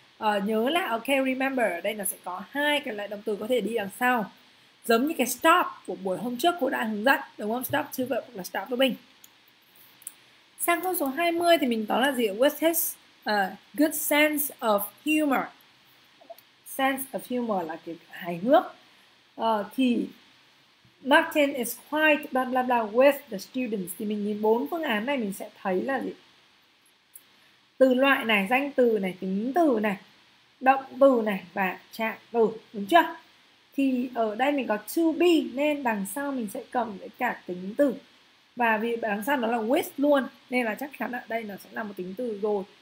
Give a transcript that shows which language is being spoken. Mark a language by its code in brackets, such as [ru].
[vi] Nhớ là ok, remember ở đây nó sẽ có hai cái loại động từ có thể đi đằng sau, giống như cái stop của buổi hôm trước cô đã hướng dẫn, đúng không? [en] Stop to verb [vi] hoặc là stop verb. Sang câu số 20 thì mình có là gì? [en] With his good sense of humor. [vi] Sense of humor là kiểu hài hước. [en] Thì Martin is quite blah blah blah with the students. [vi] Thì mình nhìn bốn phương án này mình sẽ thấy là gì? Từ loại này, danh từ này, tính từ này, động từ này và trạng từ. Đúng chưa? Thì ở đây mình có to be nên đằng sau mình sẽ cộng với cả tính từ. Và vì đằng sau nó là with luôn nên là chắc chắn ở đây nó sẽ là một tính từ rồi.